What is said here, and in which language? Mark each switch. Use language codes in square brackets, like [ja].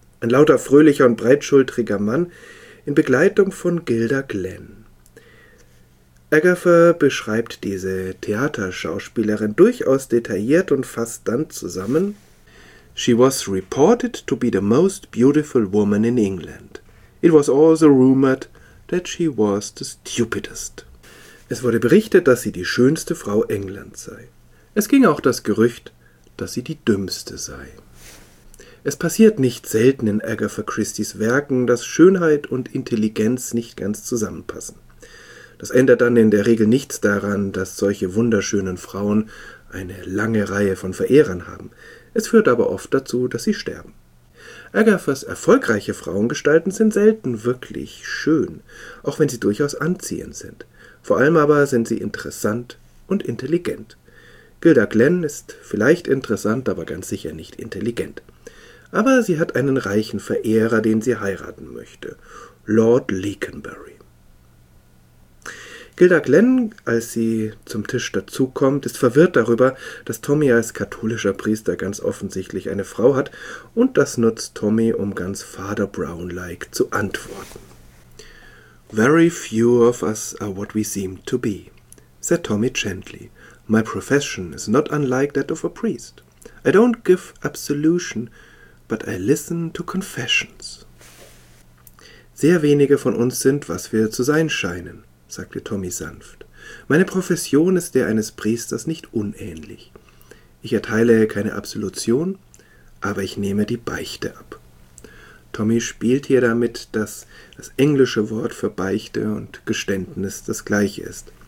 [de] Ein lauter, fröhlicher und breitschultriger Mann in Begleitung von Gilda Glenn. Agatha beschreibt diese Theaterschauspielerin durchaus detailliert und fasst dann zusammen: [en] She was reported to be the most beautiful woman in England. It was also rumored that she was the stupidest. [de] Es wurde berichtet, dass sie die schönste Frau Englands sei. Es ging auch das Gerücht, dass sie die dümmste sei. Es passiert nicht selten in Agatha Christies Werken, dass Schönheit und Intelligenz nicht ganz zusammenpassen. Das ändert dann in der Regel nichts daran, dass solche wunderschönen Frauen eine lange Reihe von Verehrern haben. Es führt aber oft dazu, dass sie sterben. Agathas erfolgreiche Frauengestalten sind selten wirklich schön, auch wenn sie durchaus anziehend sind. Vor allem aber sind sie interessant und intelligent. Gilda Glenn ist vielleicht interessant, aber ganz sicher nicht intelligent. Aber sie hat einen reichen Verehrer, den sie heiraten möchte, Lord Leconbury. Gilda Glenn, als sie zum Tisch dazukommt, ist verwirrt darüber, dass Tommy als katholischer Priester ganz offensichtlich eine Frau hat, und das nutzt Tommy, um ganz Father Brown-like zu antworten. [en] Very few of us are what we seem to be, said Tommy gently. My profession is not unlike that of a priest. I don't give absolution, but I listen to confessions. [de] Sehr wenige von uns sind, was wir zu sein scheinen, sagte Tommy sanft. Meine Profession ist der eines Priesters nicht unähnlich. Ich erteile keine Absolution, aber ich nehme die Beichte ab. Tommy spielt hier damit, dass das englische Wort für Beichte und Geständnis das gleiche ist.